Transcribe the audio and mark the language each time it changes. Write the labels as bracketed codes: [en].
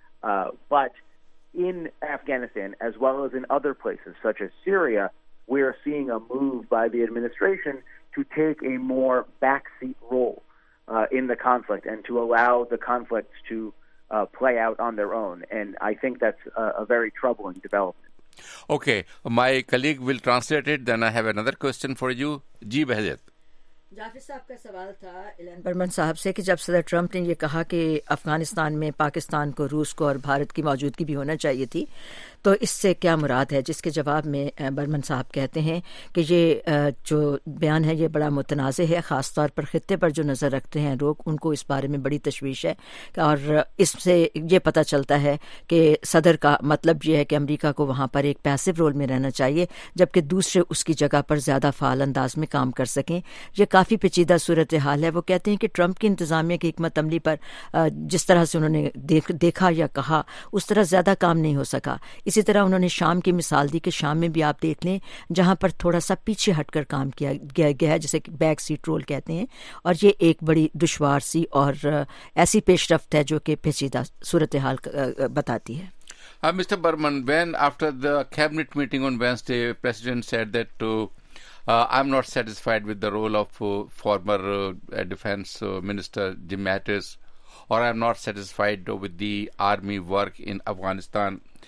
[en] But in Afghanistan, as well as in other places such as Syria, we are seeing a move by the administration to take a more backseat role in the conflict and to allow the conflict to play out on their own. And I think that's a very troubling development. Okay, my colleague will translate it, then I have another question for you. [ur] Ji Behzad. جعفر صاحب کا سوال تھا alien Burman صاحب سے کہ جب صدر Trump نے یہ کہا کہ افغانستان میں پاکستان کو, روس کو اور بھارت کی موجودگی بھی ہونا چاہیے تھی, تو اس سے کیا مراد ہے؟ جس کے جواب میں برمن صاحب کہتے ہیں کہ یہ جو بیان ہے یہ بڑا متنازع ہے, خاص طور پر خطے پر جو نظر رکھتے ہیں لوگ, ان کو اس بارے میں بڑی تشویش ہے, اور اس سے یہ پتہ چلتا ہے کہ صدر کا مطلب یہ ہے کہ امریکہ کو وہاں پر ایک پیسو رول میں رہنا چاہیے جبکہ دوسرے اس کی جگہ پر زیادہ فعال انداز میں کام کر سکیں. یہ کافی پیچیدہ صورتحال ہے. وہ کہتے ہیں کہ ٹرمپ کی انتظامیہ کی حکمت عملی پر جس طرح سے انہوں نے دیکھا یا کہا اس طرح زیادہ کام نہیں ہو سکا. اسی طرح انہوں نے شام کی مثال دی کہ شام میں بھی آپ دیکھ لیں جہاں پر تھوڑا سا پیچھے ہٹ کر کام کیا گیا ہے, جسے بیک سیٹ رول کہتے ہیں, اور یہ ایک بڑی دشوار سی اور ایسی پیش رفت ہے جو کہ پیچیدہ صورتحال بتاتی ہے. [en] Mr. Burman, when after the cabinet meeting on Wednesday, President said that I'm not satisfied with the role of former Defense Minister Jim Mattis, or I'm not satisfied with the army work in Afghanistan.